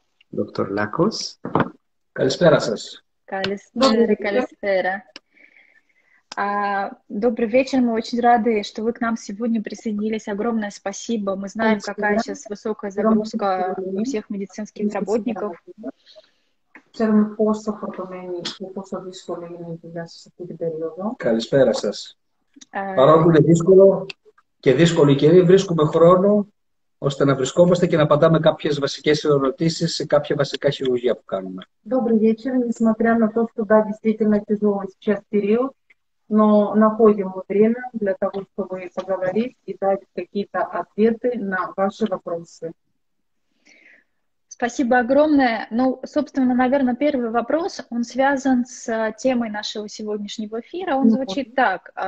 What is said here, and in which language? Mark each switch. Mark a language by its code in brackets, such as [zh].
[ru] Доктор Лакос. [el] Калиспера, сэс. Калиспера, калиспера. [ru] Добрый вечер, мы очень рады, что вы к нам сегодня присоединились. Огромное спасибо. Мы знаем, спасибо. Какая сейчас высокая загрузка у всех медицинских работников. [el] Ξέρουμε πόσο φορτωμένοι και πόσο δύσκολο είναι η δουλειά σας σε αυτή την περίοδο. Καλησπέρα σας. Παρόλο που είναι δύσκολο και δύσκολη καιρή, βρίσκουμε χρόνο ώστε να βρισκόμαστε και να απαντάμε κάποιες βασικές ερωτήσεις σε κάποια βασικά χειρουργία που κάνουμε. [ru] Добрый вечер. Несмотря на то, что да, действительно тяжелый сейчас период, но находим время для того, чтобы поговорить и дать какие-то ответы на ваши вопросы. Спасибо огромное. Ну, собственно, наверное, первый вопрос, он связан с темой нашего сегодняшнего эфира. Он звучит так.